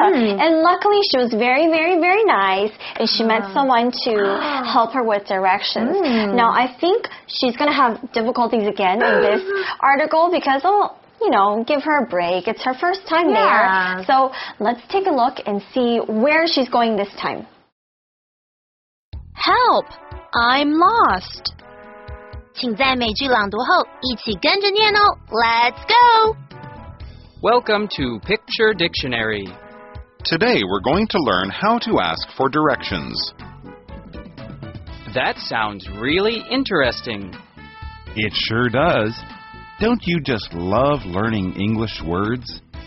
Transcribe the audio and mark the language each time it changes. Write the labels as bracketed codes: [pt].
[en] And luckily, she was very, very, very nice. And she met someone to help her with directions. Now, I think she's going to have difficulties again in this article because, give her a break. It's her first time there. So let's take a look and see where she's going this time. Help! I'm lost. [zh] 请在每句朗读后一起跟着念哦。 [en] Let's go! Welcome to Picture Dictionary. Today we're going to learn how to ask for directions. That sounds really interesting. It sure does. Don't you just love learning English words?